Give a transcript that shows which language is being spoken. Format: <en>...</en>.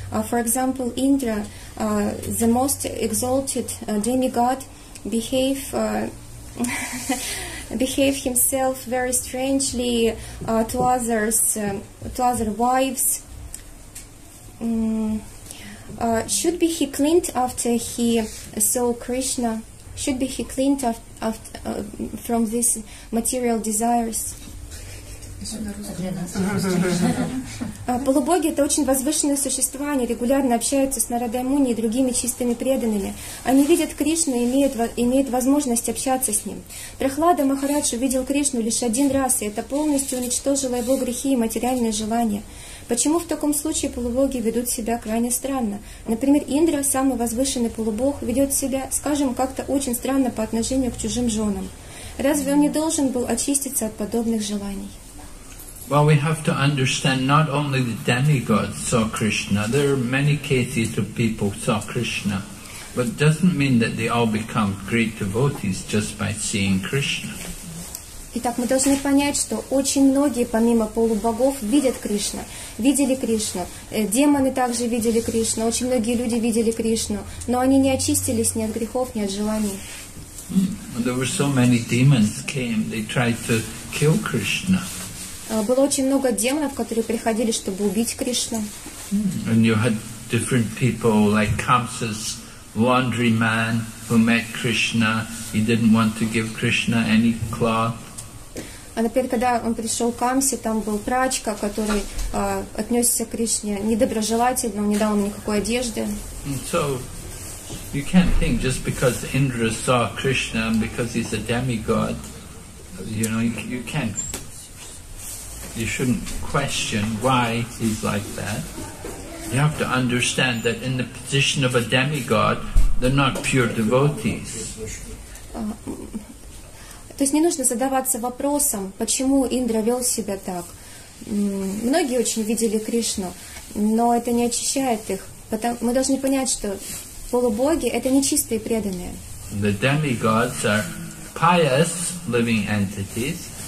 <en>For example, Indra, the most exalted demigod, behave himself very strangely to others, to other wives. Should be he cleaned after he saw Krishna? Should be he cleaned after from these material desires?</en> <ru>Полубоги — это очень возвышенные существа, они регулярно общаются с Нарадой Муни и другими чистыми преданными. Они видят Кришну и имеют возможность общаться с Ним. Прахлада Махарадж увидел Кришну лишь один раз, и это полностью уничтожило его грехи и материальные желания. Почему в таком случае полубоги ведут себя крайне странно? Например, Индра, самый возвышенный полубог, ведет себя, скажем, как-то очень странно по отношению к чужим женам. Разве он не должен был очиститься от подобных желаний?</ru> <en>Well, we have to understand not only the demigods saw Krishna. There are many cases of people saw Krishna, but it doesn't mean that they all become great devotees just by seeing Krishna.</en> <ru>Итак, мы должны понять, что очень многие, помимо полубогов, видят Кришну, видели Кришну. Демоны также видели Кришну. Очень многие люди видели Кришну, но они не очистились ни от грехов, ни от желаний.</ru> <en>There were so many demons came. They tried to kill Krishna.</en> <ru>Было очень много демонов, которые приходили, чтобы убить Кришну.</ru> <en>And you had different people, like Kamsa's laundry man, who met Krishna. He didn't want to give Krishna any cloth.</en> <ru>А например, когда он пришел к Камсе, там был прачка, который отнесся к Кришне недоброжелательно, он не дал ему никакой одежды.</ru> <en>So you can't think just because Indra saw Krishna and because he's a demigod, you know, you can't. You shouldn't question why he's like that. You have to understand that in the position of a demigod, they're not pure devotees.</en> <ru>То есть не нужно задаваться вопросом, почему Индра вел себя так. Многие очень видели Кришну, но это не очищает их. Мы должны понять, что полубоги — это не чистые преданные.</ru> <en>The demigods are pious living entities.</en>